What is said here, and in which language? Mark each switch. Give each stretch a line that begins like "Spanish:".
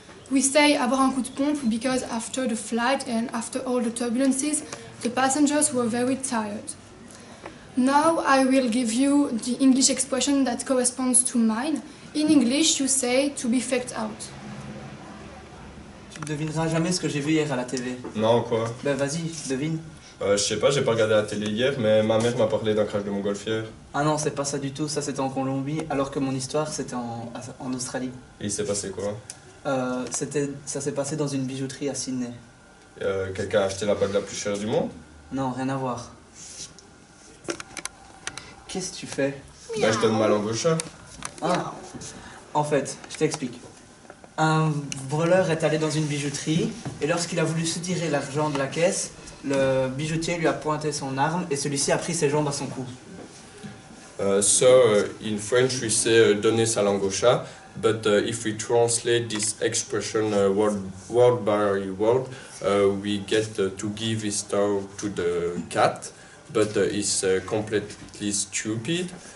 English: We say
French: avoir un coup de pompe
English: because after the flight and after all the turbulences, the passengers were very tired. Now I will give you the English expression that corresponds to mine. In English, you say to be faked out.
French: Tu ne devineras jamais ce que j'ai vu hier à la télé. Non, quoi? Ben vas-y, devine. Je sais pas, j'ai pas regardé la télé hier, mais ma mère m'a parlé d'un crash de montgolfière. Ah non, c'est pas ça du tout, ça c'était en Colombie, alors que mon histoire c'était en Australie. Et il s'est passé quoi? Ça s'est passé dans une bijouterie à Sydney. Quelqu'un a acheté la bague la plus chère du monde? Non, rien à voir. Qu'est-ce que tu fais? Bah, je donne ma langue au chat. Ah, en fait, je t'explique. Un voleur est allé dans une bijouterie, et lorsqu'il a voulu soutirer l'argent de la caisse, le bijoutier lui a pointé son arme et celui-ci a pris ses jambes à son cou.
English: In French we say
French: donner sa langue au chat,
English: but if we translate this expression word by word, we get to give his tongue to the cat, but it's completely stupid.